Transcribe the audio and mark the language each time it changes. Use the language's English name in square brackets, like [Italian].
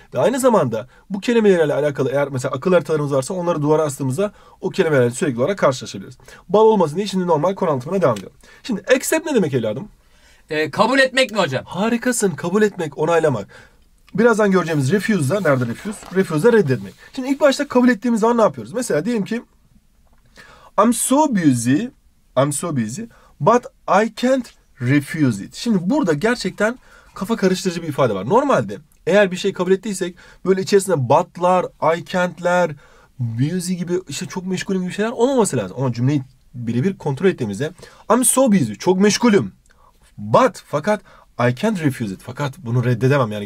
[Turkish] Ve aynı zamanda bu kelimelerle alakalı eğer mesela akıl haritalarımız varsa onları duvara astığımızda o kelimelerle sürekli olarak karşılaşabiliriz. Bal olmasın diye şimdi normal konu anlatımına devam edelim. Şimdi accept ne demek evladım? Kabul etmek mi hocam? Harikasın. Kabul etmek, onaylamak. Birazdan göreceğimiz refuse'da. Nerede refuse? Refuse'da reddetmek. Şimdi ilk başta kabul ettiğimiz zaman ne yapıyoruz? [English] Mesela diyelim ki I'm so busy but I can't refuse it. [Turkish] Şimdi burada gerçekten kafa karıştırıcı bir ifade var. Normalde eğer bir şey kabul ettiysek böyle içerisinde but'lar, I can't'ler, busy gibi işte çok meşgulüm gibi şeyler olmaması lazım. Ama cümleyi birebir kontrol ettiğimizde I'm so busy, çok meşgulüm. But, fakat I can't refuse it. Fakat bunu reddedemem yani.